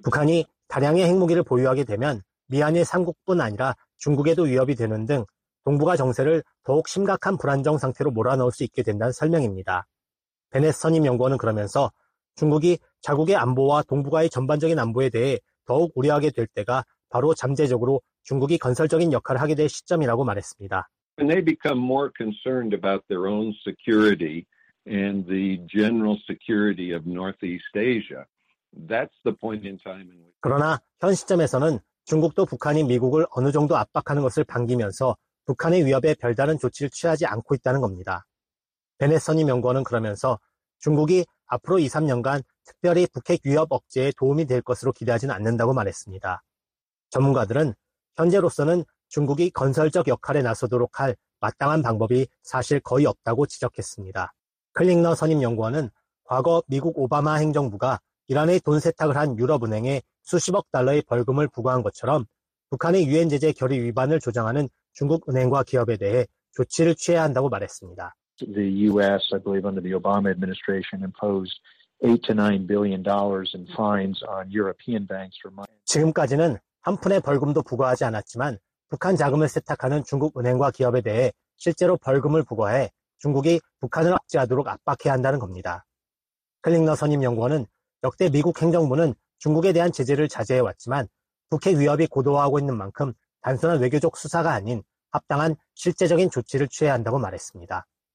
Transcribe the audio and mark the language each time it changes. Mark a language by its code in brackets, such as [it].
[ko] 북한이 다량의 핵무기를 보유하게 되면 미한의 삼국뿐 아니라 중국에도 위협이 되는 등 동북아 정세를 더욱 심각한 불안정 상태로 몰아넣을 수 있게 된다는 설명입니다. 베넷 선임 연구원은 그러면서 중국이 자국의 안보와 동북아의 전반적인 안보에 대해 더욱 우려하게 될 때가 바로 잠재적으로 중국이 건설적인 역할을 하게 될 시점이라고 말했습니다. [en] when they become more concerned about their own security and the general security of Northeast Asia, that's the point in time in which. [ko] 그러나 현 시점에서는 중국도 북한이 미국을 어느 정도 압박하는 것을 반기면서 북한의 위협에 별다른 조치를 취하지 않고 있다는 겁니다. 베네서니 명고는 그러면서 중국이 앞으로 2, 3년간 특별히 북핵 위협 억제에 도움이 될 것으로 기대하진 않는다고 말했습니다. 전문가들은 현재로서는 중국이 건설적 역할에 나서도록 할 마땅한 방법이 사실 거의 없다고 지적했습니다. 클링너 선임연구원은 과거 미국 오바마 행정부가 이란의 돈 세탁을 한 유럽은행에 수십억 달러의 벌금을 부과한 것처럼 북한의 유엔 제재 결의 위반을 조장하는 중국 은행과 기업에 대해 조치를 취해야 한다고 말했습니다. [en] The US, I believe under the Obama administration, imposed $8 to $9 billion in fines on European banks for money. [ko] 지금까지는 한 푼의 벌금도 부과하지 않았지만 북한 자금을 세탁하는 중국 은행과 기업에 대해 실제로 벌금을 부과해 중국이 북한을 억제하도록 압박해야 한다는 겁니다. 클링너 선임 연구원은 역대 미국 행정부는 중국에 대한 제재를 자제해왔지만 북핵 위협이 고도화하고 있는 만큼 단순한 외교적 수사가 아닌 합당한 실제적인 조치를 취해야 한다고 말했습니다.